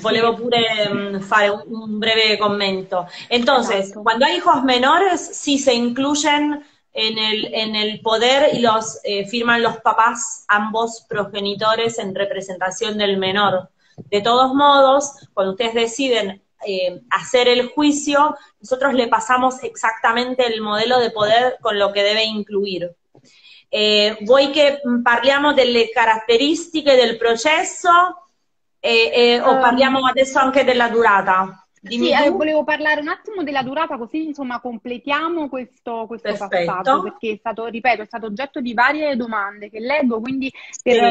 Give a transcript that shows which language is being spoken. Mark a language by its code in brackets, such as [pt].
[it] volevo pure fare un breve commento. [es] Entonces, [it] esatto. [es] cuando hay hijos menores, sí se incluyen en el poder y firman los papás ambos progenitores en representación del menor. De todos modos, cuando ustedes deciden hacer el juicio, nosotros le pasamos exactamente el modelo de poder con lo que debe incluir. [it] Voy que parliamo delle caratteristiche del processo. O parliamo adesso anche della durata. Sì, Dimmi tu. Perfetto. volevo parlare un attimo della durata, così insomma completiamo questo passaggio, perché è stato, ripeto, è stato oggetto di varie domande che leggo, quindi per